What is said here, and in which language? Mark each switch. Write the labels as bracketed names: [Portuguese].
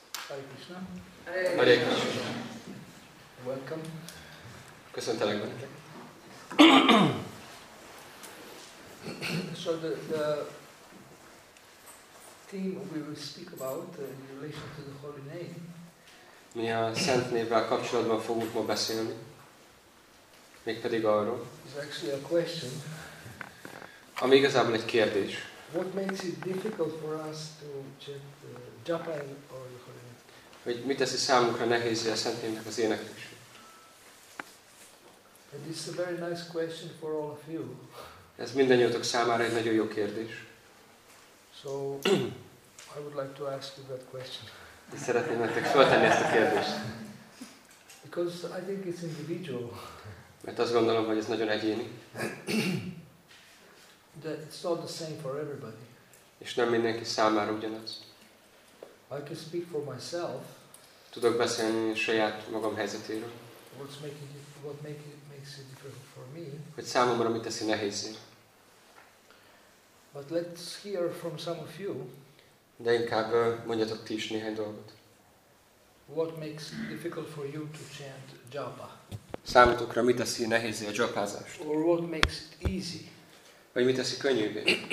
[English] Hare Krishna. Hare Krishna. Welcome. [Hungarian] Köszöntelek. [English] So the theme we will speak about in relation to the Holy Name. [Hungarian] Mi a Szent Névvel kapcsolatban fogunk ma beszélni. Mégpedig arról. [English] It's actually a question. [Hungarian] Ami igazából egy kérdés. [English] What makes it difficult for us to chant japa or the Holy Name? [Hungarian] Hogy mit teszi számunkra nehézé a Szent Névnek az éneklés? [English] And this is a very nice question for all of you. [Hungarian] Ez mindannyiótok számára egy nagyon jó kérdés. [English] So I would like to ask you that question. [Hungarian] És szeretném nektek feltenni ezt a kérdést. [English] Because I think it's individual. [Hungarian] Mert azt gondolom, hogy ez nagyon egyéni. [English] That it's not the same for everybody. [Hungarian] És nem mindenki számára ugyanaz. [English] I can speak for myself. [Hungarian] Tudok beszélni saját magam helyzetéről. [English] What makes it difficult for me? [Hungarian] Hogy számomra mit teszi nehézé. [English] But let's hear from some of you. [Hungarian] De inkább mondjatok ti is néhány dolgot. [English] What makes it difficult for you to chant japa? [Hungarian] Számotokra mit teszi nehézé a japázást? [English] Or what makes it easy? [Hungarian] Vagy mit teszi könnyűvé?